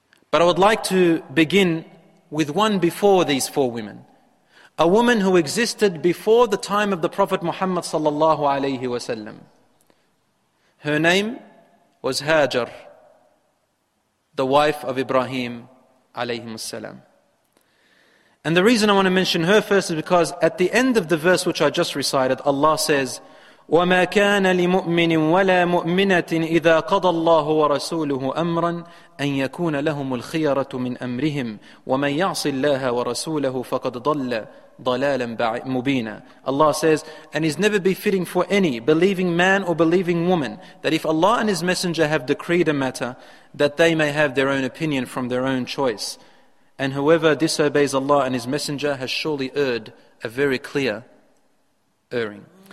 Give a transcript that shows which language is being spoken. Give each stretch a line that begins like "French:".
English: But I would like to begin with one before these four women. A woman who existed before the time of the Prophet Muhammad sallallahu alayhi wa sallam. Her name was Hajar, the wife of Ibrahim alayhi salam. And the reason I want to mention her first is because at the end of the verse which I just recited, Allah says,
Arabic: وَمَا كَانَ لِمُؤْمِنٍ وَلَا مُؤْمِنَةٍ إِذَا قَضَى اللَّهُ وَرَسُولُهُ أَمْرًا أَنْ يَكُونَ لَهُمُ الْخِيَرَةُ مِنْ أَمْرِهِمْ وَمَنْ يَعْصِ اللَّهَ وَرَسُولَهُ فَقَدْ ضَلَّ ضَلَالًا مُبِينًا.
English: Allah says, and is never befitting for any believing man or believing woman that if Allah and His Messenger have decreed a matter, that they may have their own opinion from their own choice. And whoever disobeys Allah and His Messenger has surely erred a very clear erring.